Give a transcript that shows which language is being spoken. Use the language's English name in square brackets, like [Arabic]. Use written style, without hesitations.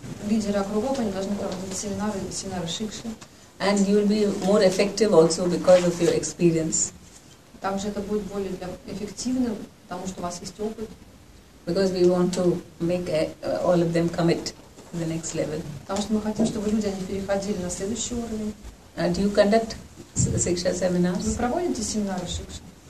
[Russian] Лидеры округов они должны проводить семинары шикши. [English] And you will be more effective also because of your experience. [Russian] Также это будет более эффективным, потому что у вас есть опыт. [English] Because we want to make all of them commit. The next level. [Russian] Потому что мы хотим, чтобы люди они переходили на следующий уровень. [English] Do you conduct shiksha seminars? [Russian] Вы проводите семинары шикши?